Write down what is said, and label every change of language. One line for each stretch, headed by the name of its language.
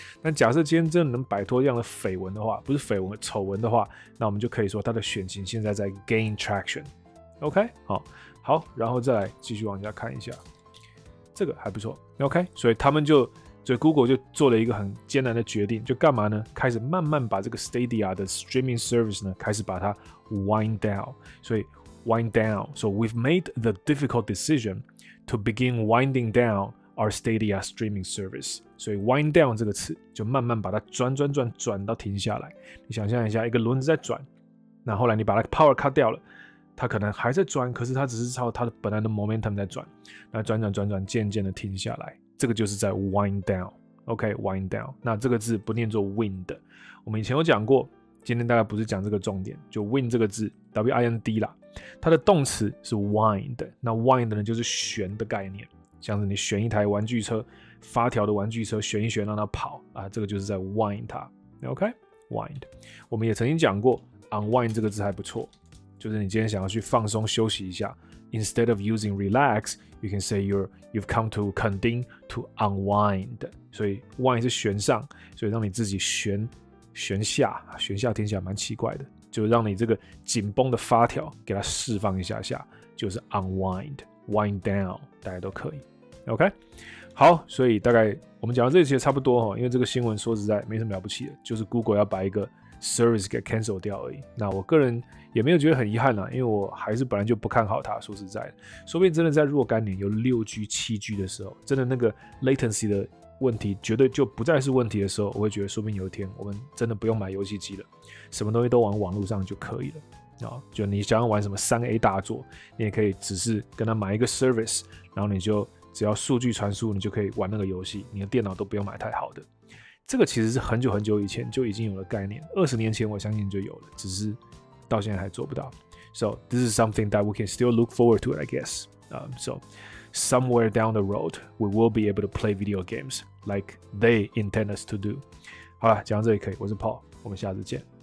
Chinese: 但假设今天真的能摆脱这样的绯闻的话，不是绯闻，丑闻的话，那我们就可以说他的选情现在在 gain traction。 OK， 好，然后再来继续往下看一下，这个还不错。 OK， 所以他们就所以 Google 就做了一个很艰难的决定，就干嘛呢？开始慢慢把这个 Stadia 的 streaming service 呢，开始把它 wind down。所以 wind down，
English: so we've made the difficult decision to begin winding down our Stadia streaming service。
Chinese: 所以 wind down 这个词就慢慢把它转到停下来。你想象一下，一个轮子在转，那后来你把它 power cut 掉了，它可能还在转，可是它只是朝它的本来的 momentum 在转，那转，渐渐的停下来。这个就是在 wind down，OK，、okay, wind down。那这个字不念作 wind， 我们以前有讲过，今天大概不是讲这个重点，就 wind 这个字 ，w i n d 啦，它的动词是 wind， 那 wind 呢就是旋的概念，像是你旋一台玩具车，发条的玩具车旋一旋让它跑啊，这个就是在 wind 它 ，OK， wind。我们也曾经讲过 unwind 这个字还不错，就是你今天想要去放松休息一下。
English: Instead of using relax, you can say you've come to Kanding to unwind.
Chinese: 所以 wind 是旋上，所以让你自己旋下，旋下听起来蛮奇怪的，就让你这个紧绷的发条给它释放一下下，就是 unwind, wind down, 大家都可以。 OK， 好，所以大概我们讲到这些差不多，因为这个新闻说实在没什么了不起的，就是 Google 要把一个 service 给 cancel 掉而已。那我个人也没有觉得很遗憾啦，因为我还是本来就不看好它，说实在的，说不定真的在若干年有 6G 7G 的时候，真的那个 latency 的问题绝对就不再是问题的时候，我会觉得说不定有一天我们真的不用买游戏机了，什么东西都往网络上就可以了。就你想要玩什么 3A 大作，你也可以只是跟他买一个 service， 然后你就只要数据传输你就可以玩那个游戏，你的电脑都不用买太好的。这个其实是很久很久以前就已经有了概念，20年前我相信就有了，只是到现在还做不到。
English: So this is something that we can still look forward to it, I guess. So somewhere down the road we will be able to play video games like they intend us to do.
Chinese: 好啦，讲到这里可以，我是 Paul， 我们下次见。